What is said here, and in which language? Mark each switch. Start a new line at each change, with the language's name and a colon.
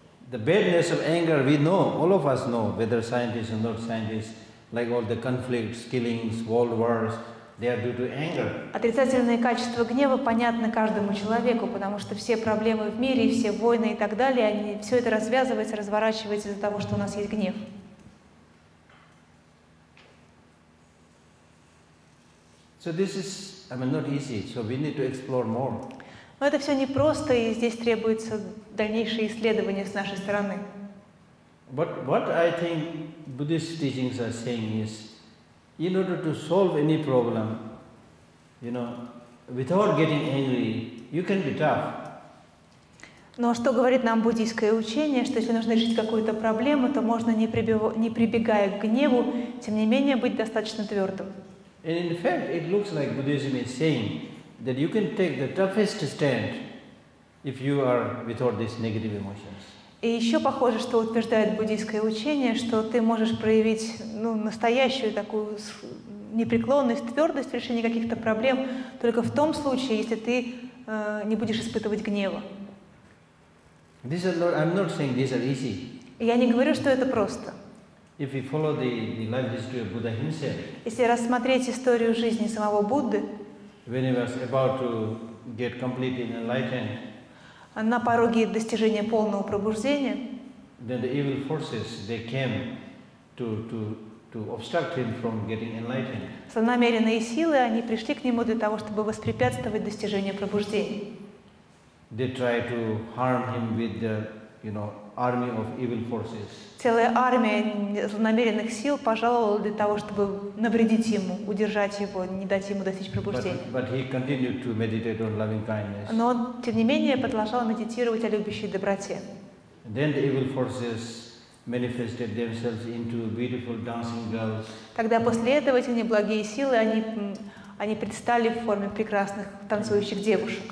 English: The badness of anger, we know, all of us know, whether scientists or not scientists, like all the conflicts, killings, world wars, they are due to anger.
Russian: Отрицательные качества гнева понятны каждому человеку, потому что все проблемы в мире, все войны и так далее, они все это развязывается, разворачивается из-за того, что у нас есть гнев.
English: So this is, I mean, not easy. So we need to explore more.
Russian: Но это все непросто, и здесь требуется дальнейшее исследование с нашей стороны.
English: But what I think Buddhist teachings are saying is, in order to solve any problem, you know, without getting angry, you can be tough.
Russian: Но что говорит нам буддийское учение, что если нужно решить какую-то проблему, то можно не прибегая к гневу, тем не менее быть достаточно твердым.
English: And in fact, it looks like Buddhism is saying that you can take the toughest stand if you are without these negative emotions.
Russian: И еще похоже, что утверждает буддийское учение, что ты можешь проявить настоящую такую непреклонность, твердость в решении каких-то проблем только в том случае, если ты не будешь испытывать гнева.
English: These are not, I'm not saying these are easy.
Russian: Я не говорю, что это просто.
English: If we follow the life history of Buddha himself,
Russian: если рассмотреть историю жизни самого Будды,
English: when he was about to get completely enlightened,
Russian: на пороге достижения полного пробуждения,
English: then the evil forces, they came to obstruct him from getting enlightened.
Russian: Злонамеренные силы, они пришли к нему для того, чтобы воспрепятствовать достижению пробуждения.
English: They tried to harm him with the, you know, army of evil forces.
Russian: Целая армия злонамеренных сил пожаловала для того, чтобы навредить ему, удержать его, не дать ему достичь пробуждения.
English: But he continued to meditate on loving kindness.
Russian: Но он, тем не менее, продолжал медитировать о любящей доброте.
English: Then the evil forces manifested themselves into beautiful dancing girls.
Russian: Тогда после этого эти неблагие силы, они предстали в форме прекрасных танцующих девушек.